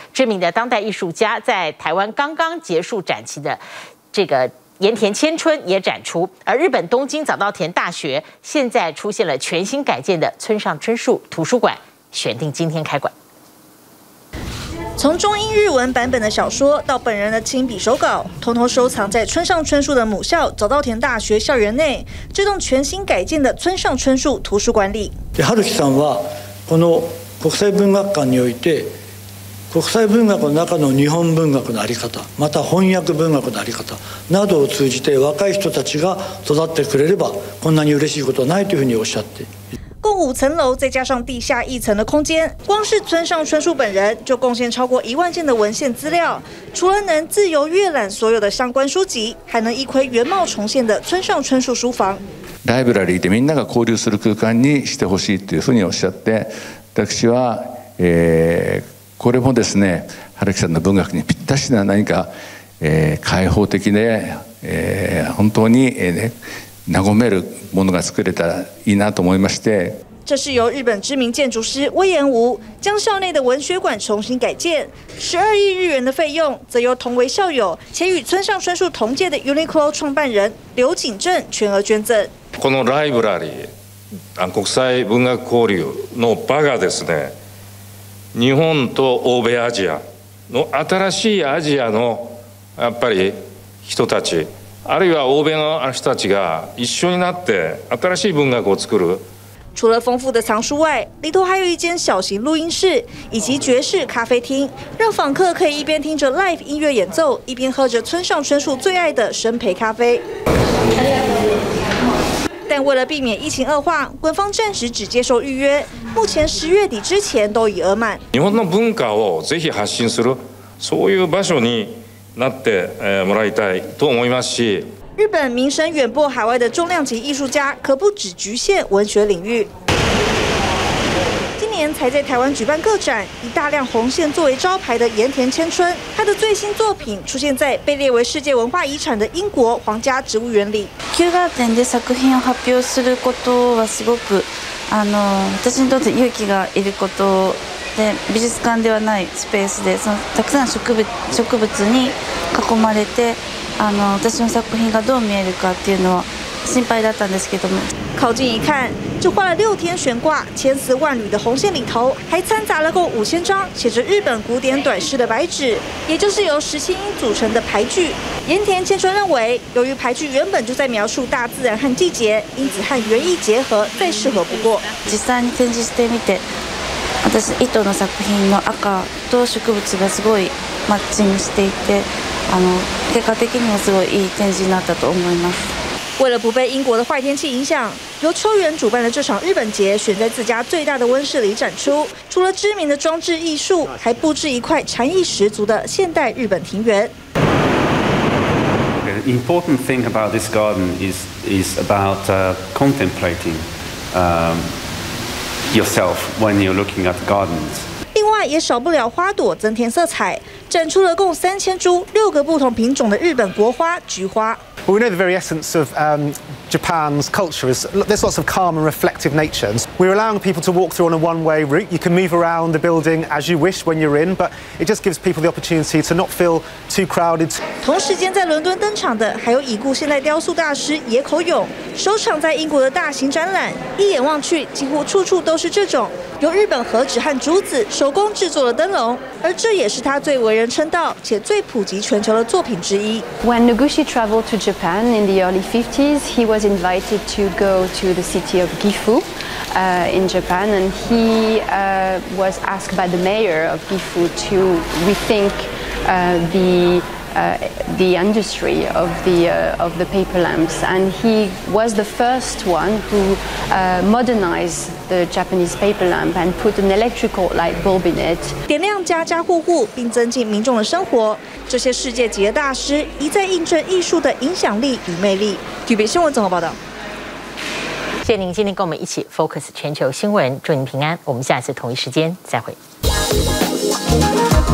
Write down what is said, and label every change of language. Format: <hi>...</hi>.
<zh>知名的当代艺术家在台湾刚刚结束展期的这个盐田千春也展出，而日本东京早稻田大学现在出现了全新改建的村上春树图书馆，选定今天开馆。从中英日文版本的小说到本人的亲笔手稿，统统收藏在村上春树的母校早稻田大学校园内这栋全新改建的村上春树图书馆里。</zh> <ja>春樹さんはこの国際文学館において国際文学の中の日本文学のあり方、また翻訳文学のあり方などを通じて若い人たちが育ってくれればこんなに嬉しいことはないというふうにおっしゃって。</ja> <zh>共五层楼，再加上地下一层的空间，光是村上春树本人就贡献超过10000件的文献资料。除了能自由阅览所有的相关书籍，还能一窥原貌重现的村上春树书房。</zh> <ja>ライブラリーでみんなが交流する空間にしてほしいというふうにおっしゃって、私は、これもですね、春樹さんの文学にぴったしな何か、開放的で、本当に、ね。和めるものが作れたらいいなと思いまして。</ja> <zh>这是由日本知名建筑师威延吾将校内的文学馆重新改建，12亿日元的费用则由同为校友且与村上春树同届的 Uniqlo 创办人刘景正全额捐赠。</zh> <ja>このライブラリー、国際文学交流の場がですね、日本と欧米アジアの新しいアジアのやっぱり人たち。あるいは欧米の人たちが一緒になって新しい文学を作る。</ja> <zh>除了丰富的藏书外，里头还有一间小型录音室以及爵士咖啡厅，让访客可以一边听着 live 音乐演奏，一边喝着村上春树最爱的生培咖啡。但为了避免疫情恶化，官方暂时只接受预约，目前10月底之前都已额满。</zh> <ja>日本の文化をぜひ発信するそういう場所に。なってもらいたいと思いますし、</ja> <zh>日本名声远播海外的重量级艺术家可不只局限文学领域。今年才在台湾举办个展，以大量红线作为招牌的盐田千春，他的最新作品出现在被列为世界文化遗产的英国皇家植物园里。</zh> <ja>キューガーデンで作品を発表することはすごく私にとって勇気がいること。で美術館ではないスペースでそのたくさん植物に囲まれて私の作品がどう見えるかっていうのは心配だったんですけども。</ja> <zh>靠近一看，就画了6天悬挂千丝万缕的红线里头，还掺杂了共5000张写着日本古典短诗的白纸，也就是由17音组成的牌句。盐田千春认为，由于牌句原本就在描述大自然和季节，因此和园艺结合再适合不过。</zh> <ja>実際に展示してみて。私糸の作品の赤と植物がすごいマッチングしていて結果的にもすごいいい展示になったと思います。</ja> <zh>为了不被英国的坏天气影响，由秋元主办的这场日本节选在自家最大的温室里展出，除了知名的装置艺术，还布置一块禅意十足的现代日本庭园。</zh> <en>The important thing about this garden is about contemplating yourself when you're looking at gardens.</en> <zh>另外也少不了花朵增添色彩，展出了共3000株6个不同品种的日本国花菊花。</zh> <en>We know the very essence of Japan's culture is there's lots of calm and reflective nature. We're allowing people to walk through on a one-way route. You can move around the building as you wish when you're in, but it just gives people the opportunity to not feel too crowded.</en> <zh>同时间在伦敦登场的还有已故现代雕塑大师野口勇，收场在英国的大型展览，一眼望去，几乎处处都是这种由日本和纸和竹子手工制作的灯笼，而这也是他最为人称道且最普及全球的作品之一。</zh> <en>When Noguchi traveled to Japan in the early 50s, he was invited to go to the city of Gifu, in Japan, and he was asked by the mayor of Gifu to rethink the industry of the paper lamps, and he was the first one who modernized the Japanese paper lamp and put an electrical light bulb in it.</en> <zh>点亮家家户户，并增进民众的生活。这些世界级的大师一再印证艺术的影响力与魅力。台北新闻综合报道。谢谢您今天跟我们一起 Focus 全球新闻，祝您平安。我们下次同一时间再会。</zh>